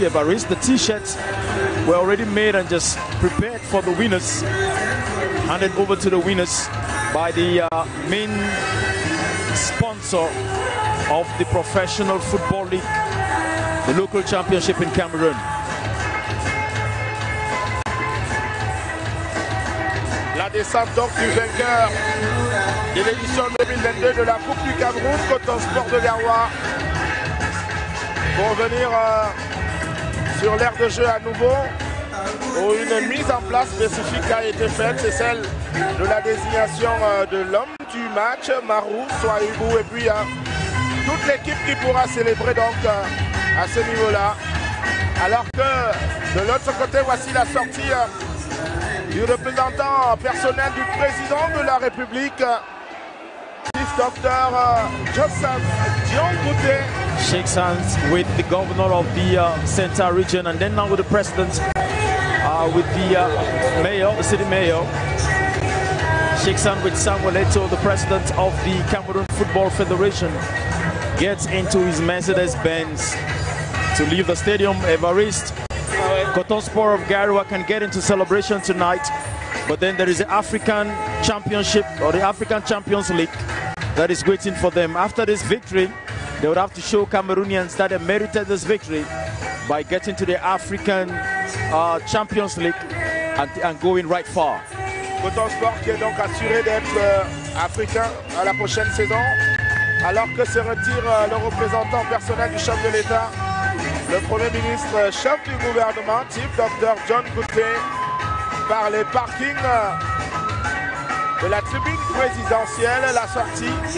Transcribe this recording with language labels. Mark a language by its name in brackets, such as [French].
[English] Evariste, the t-shirts were already made and just prepared for the winners, handed over to the winners by the main sponsor of the Professional Football League, the local championship in Cameroon. [French] La descente donc du vainqueur de l'édition 2022 de la Coupe du Cameroun, Coton Sport de Garoua, pour venir sur l'aire de jeu à nouveau, où une mise en place spécifique a été faite, c'est celle de la désignation de l'homme du match, Marou Souaïbou, et puis toute l'équipe qui pourra célébrer donc à ce niveau-là. Alors que de l'autre côté, voici la sortie du représentant personnel du président de la République, Dr. Joseph Dion Goûté. [English] Shakes hands with the governor of the Central Region, and then now with the president, with the mayor, the city mayor. Shakes hands with Samuel Eto'o, the president of the Cameroon Football Federation. Gets into his Mercedes-Benz to leave the stadium. Evariste, Coton Sport of Garoua can get into celebration tonight, but then there is the African Championship or the African Champions League that is waiting for them. After this victory, they would have to show Cameroonians that they merited this victory by getting to the African Champions League and going right far. [French] Coton Sport qui est donc assuré d'être africain à la prochaine saison, alors que se retire le représentant personnel du chef de l'État, le Premier ministre, chef du gouvernement, Chief Dr. John Goûté, par les parkings de la tribune présidentielle, la sortie.